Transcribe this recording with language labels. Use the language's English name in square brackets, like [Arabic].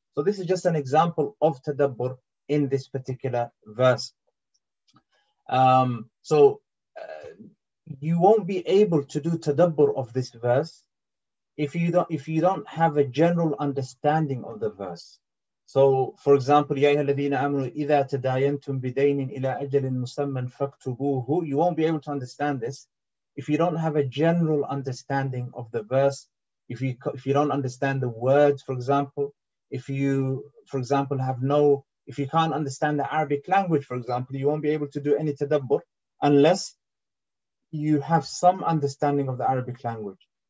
[English] So this is just an example of tadabbur in this particular verse. So you won't be able to do tadabbur of this verse if you don't have a general understanding of the verse. So, for example, [Arabic] يَا الَّذِينَ آمَنُوا إِذَا تَدَايَنْتُمْ بِدَيْنٍ إِلَىٰ أَجَلٍ مُسَمًّى فَاكْتُبُوهُ. [English] You won't be able to understand this if you don't have a general understanding of the verse. If you don't understand the words, for example, if you can't understand the Arabic language, for example, you won't be able to do any tadabbur unless you have some understanding of the Arabic language.